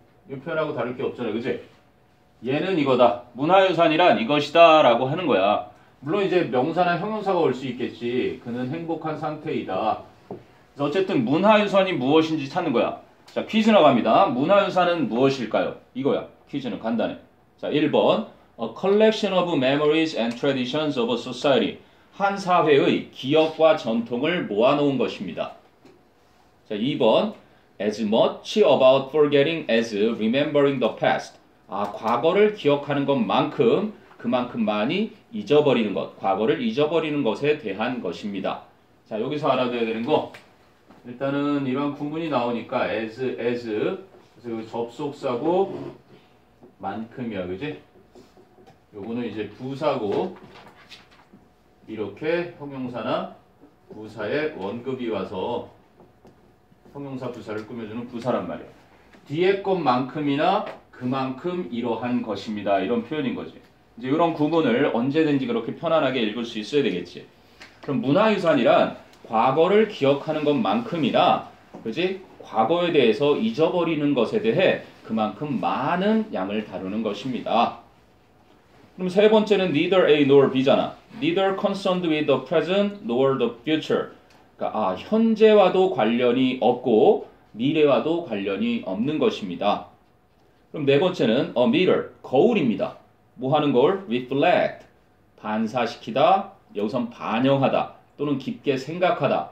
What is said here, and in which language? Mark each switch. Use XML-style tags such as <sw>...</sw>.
<ko>이 표현하고 다를 게 없잖아. 그치? 얘는 이거다. 문화유산이란 이것이다 라고 하는 거야. 물론 이제 명사나 형용사가 올 수 있겠지. 그는 행복한 상태이다. 어쨌든 문화유산이 무엇인지 찾는 거야. 자, 퀴즈 나갑니다. 문화유산은 무엇일까요? 이거야. 퀴즈는 간단해. 자, 1번.</ko> <en>A collection of memories and traditions of a society.</en> <ko>한 사회의 기억과 전통을 모아놓은 것입니다. 자, 2번.</ko> <en>As much about forgetting as remembering the past.</en> <ko>아, 과거를 기억하는 것만큼 그만큼 많이 잊어버리는 것. 과거를 잊어버리는 것에 대한 것입니다. 자, 여기서 알아둬야 되는 거. 일단은 이런 구문이 나오니까 as 그래서 접속사고 만큼이야, 그지? 요거는 이제 부사고 이렇게 형용사나 부사의 원급이 와서 형용사 부사를 꾸며주는 부사란 말이야. 뒤에 것만큼이나 그만큼 이러한 것입니다. 이런 표현인 거지. 이제 이런 구문을 언제든지 그렇게 편안하게 읽을 수 있어야 되겠지. 그럼 문화유산이란 과거를 기억하는 것만큼이나, 그지? 과거에 대해서 잊어버리는 것에 대해 그만큼 많은 양을 다루는 것입니다. 그럼 세 번째는 neither A nor B잖아.</ko> <en>Neither concerned with the present nor the future.</en> <ko>그러니까, 아, 현재와도 관련이 없고, 미래와도 관련이 없는 것입니다. 그럼 네 번째는 a mirror, 거울입니다. 뭐 하는 걸? reflect. 반사시키다, 여기선 반영하다. 또는 깊게 생각하다.</ko>